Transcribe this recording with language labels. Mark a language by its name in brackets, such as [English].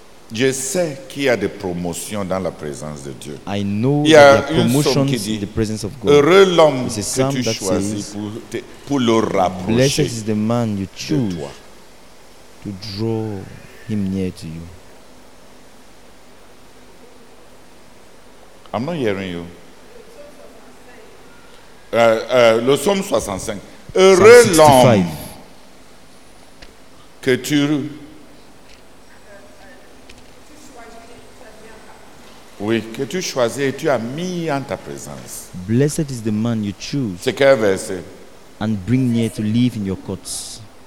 [French] Je sais qu'il y a des promotions dans la présence de Dieu. [English] I know [French] il y a [English] promotions in the presence of God. [French] Heureux l'homme que tu choisis pour le rapprocher. [English] Blessed is the man you choose to draw him near to you. I'm not hearing you. [French] Le psaume 65. Heureux l'homme que tu oui, que tu choisis et tu as mis en ta présence. [English] Blessed is the man you choose. [French] C'est quel verset? [English] And bring near to live in your courts.